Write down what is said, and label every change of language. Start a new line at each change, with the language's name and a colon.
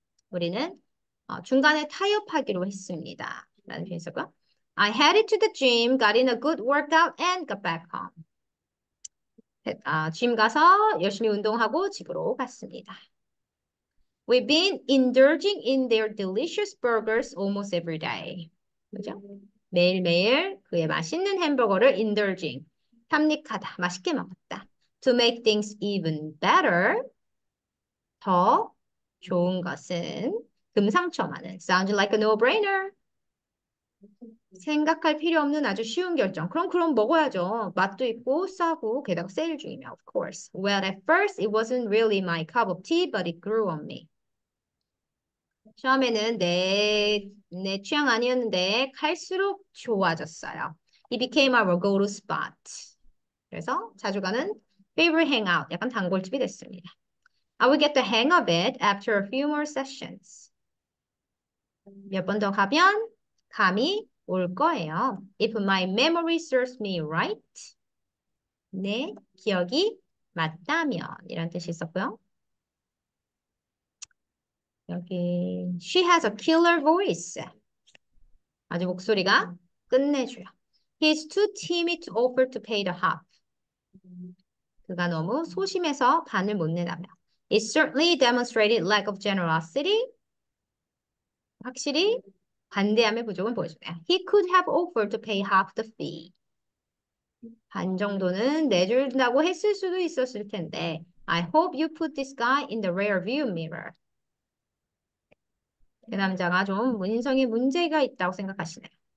Korean: 우리는 중간에 타협하기로 했습니다라는 표현 썼고요.
English: I headed to the gym, got in a good workout, and got back home.
Korean: 짐 가서 열심히 운동하고 집으로 갔습니다.
English: We've been indulging in their delicious burgers almost every day.
Korean: 그죠? 매일매일 그의 맛있는 햄버거를 indulging, 탐닉하다, 맛있게 먹었다.
English: To make things even better,
Korean: 더 좋은 것은 금상첨화는.
English: Sounds like a no-brainer.
Korean: 생각할 필요 없는 아주 쉬운 결정. 그럼 먹어야죠. 맛도 있고 싸고 게다가 세일 중이며.
English: Of course. Well, at first it wasn't really my cup of tea, but it grew on me.
Korean: 처음에는 내 취향 아니었는데 갈수록 좋아졌어요.
English: It became our go-to spot.
Korean: 그래서 자주 가는
English: favorite hangout.
Korean: 약간 단골집이 됐습니다.
English: I will get the hang of it after a few more sessions.
Korean: 몇번더 가면 감이 올 거예요.
English: If my memory serves me right.
Korean: 내 기억이 맞다면. 이런 뜻이 있었고요. 여기
English: she has a killer voice.
Korean: 아주 목소리가 끝내줘요.
English: He's too timid to offer to pay the half.
Korean: 그가 너무 소심해서 반을 못 내다며.
English: It certainly demonstrated lack of generosity.
Korean: 확실히 관대함의 부족은 보여주네요.
English: He could have offered to pay half the fee.
Korean: 반 정도는 내준다고 했을 수도 있었을 텐데.
English: I hope you put this guy in the rear view mirror.
Korean: 그 남자가 좀 문성에 문제가 있다고 생각하시네요.